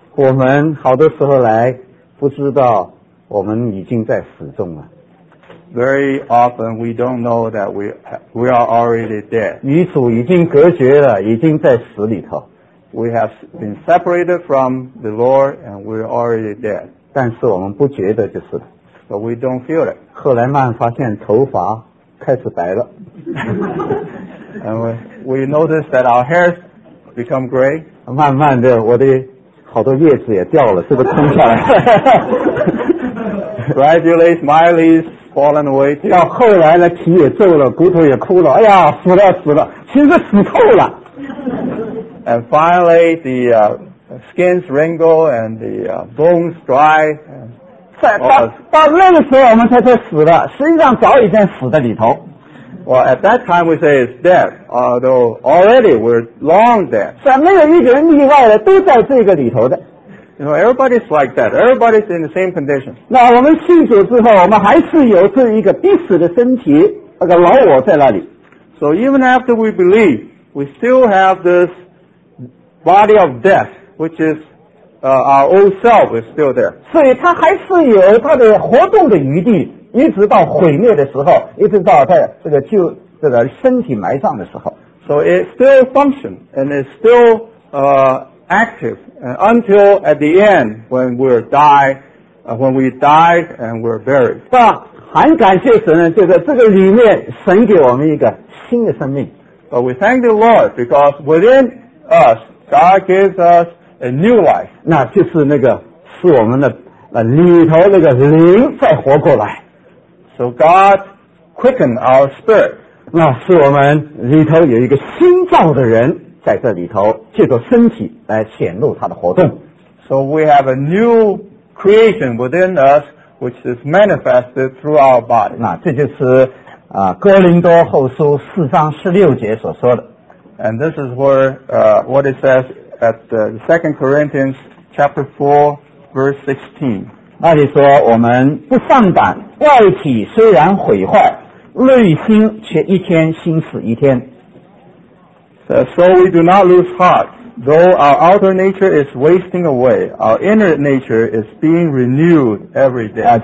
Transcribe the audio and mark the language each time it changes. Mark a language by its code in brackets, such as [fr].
[zh] 我们好多时候来不知道我们已经在死中了。 [en] Very often we don't know that we are already dead. [zh] 与主已经隔绝了，已经在死里头。 [en] We have been separated from the Lord and we are already dead. [zh] 但是我们不觉得就是了。 [en] But we don't feel it. [zh] 后来慢慢发现头发开始白了。 [en] And we notice that our hairs become gray. [zh] 慢慢的我的好多叶子也掉了，是不是空下来 [en] Gradually, smileys fallen away too. [zh] 到后来呢，皮也皱了，骨头也枯了，哎呀，死了死了，其实死透了。 [en] And finally, the skins wrinkle and the bones dry. [zh] 到那个时候我们才说死了，实际上早已经死在里头。 [en] Well, at that time we say it's dead, although already we're long dead. [zh] 是啊，没有一个人例外的，都在这个里头的。 [en] You know, everybody's like that. Everybody's in the same condition. [zh] 那我们信主之后，我们还是有这一个必死的身体，那个老我在那里。 [en] So even after we believe, we still have this body of death, which is our old self is still there. [zh] 所以它还是有它的活动的余地，一直到毁灭的时候，一直到它这个就这个身体埋葬的时候。 [en] So it still functions and it's still active. And until at the end when we die and we're buried. [zh] 那很感谢神呢，就是这个里面神给我们一个新的生命。 [en] But we thank the Lord because within us God gives us a new life. [zh] 那就是那个是我们的里头那个灵再活过来。 [en] So God quickened our spirit. [zh] 那是我们里头有一个新造的人。在这里头借着身体来显露他的活动。 [en] So we have a new creation within us which is manifested through our body. [zh] 那这就是哥林多后书四章十六节所说的。 [en] And this is where, what it says at the 2 Corinthians chapter 4 verse [zh] 16. 那里说我们不上胆，外体虽然毁坏，内心却一天新似一天。 [en] So we do not lose heart, though our outer nature is wasting away, our inner nature is being renewed every day.